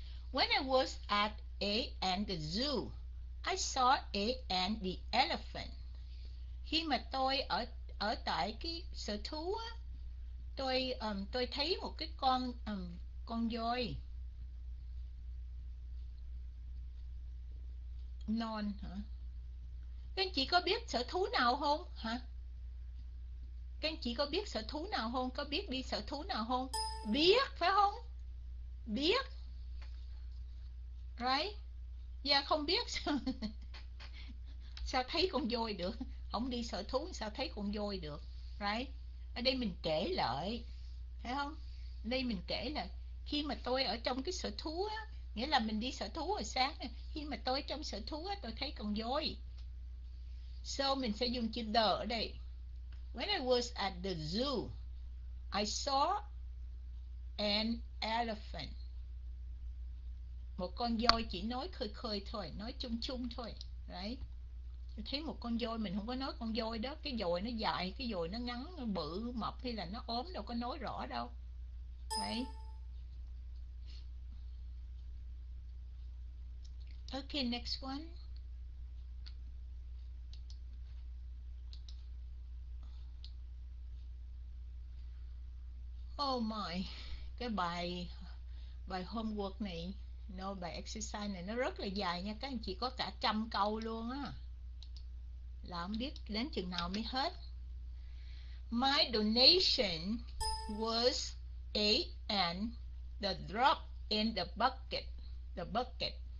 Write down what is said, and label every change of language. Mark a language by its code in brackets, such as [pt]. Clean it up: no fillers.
[en] When I was at A and the zoo, I saw A and the elephant. [vi] Khi mà tôi ở ở tại cái sở thú á, tôi thấy một cái con voi. Non hả? Các anh chị có biết sở thú nào không hả? Các anh chị có biết sở thú nào không? Có biết đi sở thú nào không? Biết phải không? Biết. [en] Right? [vi] Dạ không biết. Sao thấy con voi được? Không đi sở thú sao thấy con voi được? [en] Right? [vi] Ở đây mình kể lại. Phải không? Đây mình kể là khi mà tôi ở trong cái sở thú á, nghĩa là mình đi sở thú hồi sáng, khi mà tôi trong sở thú á, tôi thấy con voi. [en] So [vi] mình sẽ dùng chữ the ở đây. [en] When I was at the zoo, I saw an elephant. [vi] Một con voi, chỉ nói khơi khơi thôi, nói chung chung thôi. Đấy. [en] Right? [vi] Thấy một con voi, mình không có nói con voi đó. Cái voi nó dài, cái voi nó ngắn, nó bự, mập hay là nó ốm, đâu có nói rõ đâu. Đấy. [en] Right? Okay, next one. [vi] Oh my, cái bài bài homework này, no, bài exercise này nó rất là dài nha các anh chị, có cả trăm câu luôn á, là không biết đến chừng nào mới hết. [en] My donation was a and the drop in the bucket, the bucket.